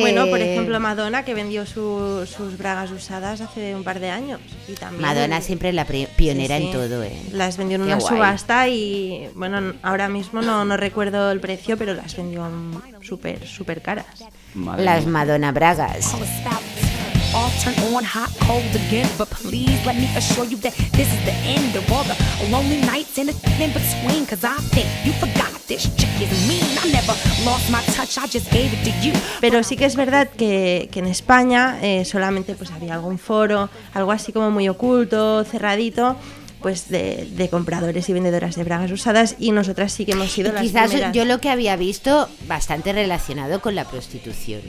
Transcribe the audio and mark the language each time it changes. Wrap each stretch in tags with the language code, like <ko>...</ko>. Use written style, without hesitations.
<es>Bueno, por ejemplo, Madonna, que vendió sus bragas usadas hace un par de años. Y también... Madonna siempre es la pionera, sí, sí, en todo, ¿eh? Las vendió en una subasta y, bueno, ahora mismo no recuerdo el precio, pero las vendió súper, súper caras. Madre. Las Madonna bragas.</es> <en>All turn on hot cold again, but please let me assure you that this is the end of all the lonely nights and the in between, cause I think you forgot this chick is mean. I never lost my touch, I just gave it to you.</en> <es>Pero sí que es verdad que en España solamente pues había algún foro, algo así como muy oculto, cerradito, pues de compradores y vendedoras de bragas usadas, y nosotras sí que hemos sido las quizás primeras. Yo lo que había visto bastante relacionado con la prostitución.</es>